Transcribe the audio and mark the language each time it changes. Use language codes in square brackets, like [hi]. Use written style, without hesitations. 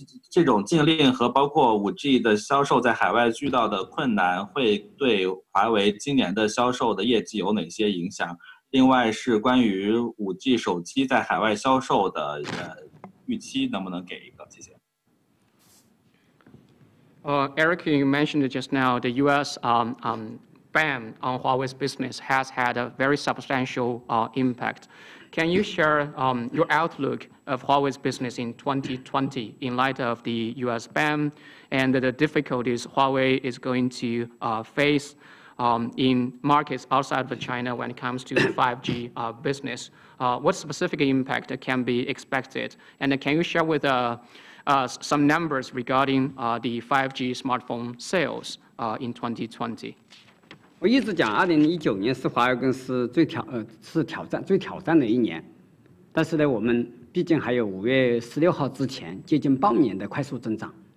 [zh] 这种禁令和包括 5G 的销售在海外遇到的困难，会对华为今年的销售的业绩有哪些影响？另外是关于 5G 手机在海外销售的预期能不能给一个，谢谢。 [en] Eric, you mentioned just now the U.S. Ban on Huawei's business has had a very substantial impact. Can you share your outlook of Huawei's business in 2020 in light of the U.S. ban and the difficulties Huawei is going to face in markets outside of China when it comes to 5G business? What specific impact can be expected? And can you share with some numbers regarding the 5G smartphone sales in 2020? [zh] 我一直讲，2019年是华为公司最挑战的一年，但是呢，我们毕竟还有5月16号之前接近半年的快速增长。